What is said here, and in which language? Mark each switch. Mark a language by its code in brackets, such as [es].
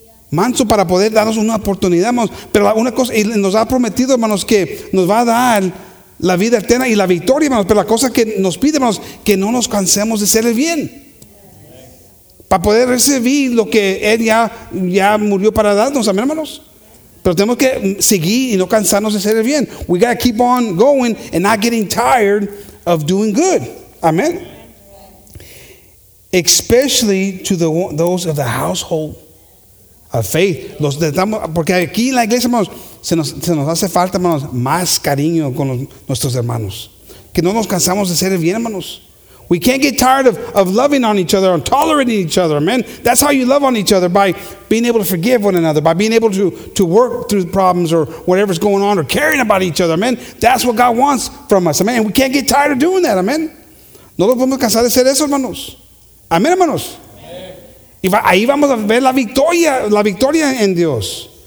[es] Manso para poder darnos una oportunidad, hermanos. Pero una cosa, y nos ha prometido, hermanos, que nos va a dar la vida eterna y la victoria, hermanos. Pero la cosa que nos pide, hermanos, que no nos cansemos de hacer el bien. Para poder recibir lo que Él ya murió para darnos, amén, hermanos. Pero tenemos que seguir y no cansarnos de hacer el bien. [en] We got to keep on going and not getting tired of doing good. Amén. Especially to those of the household of faith. [es] Porque aquí en la iglesia, hermanos, se nos hace falta, hermanos, más cariño con nuestros hermanos. Que no nos cansamos de hacer el bien, hermanos. [en] We can't get tired of loving on each other, on tolerating each other, amen. That's how you love on each other, by being able to forgive one another, by being able to work through problems or whatever's going on, or caring about each other, amen. That's what God wants from us, amen. And we can't get tired of doing that, amen. [es] No nos podemos cansar de hacer eso, hermanos. Amen, hermanos. Amen. Y ahí vamos a ver la victoria en Dios.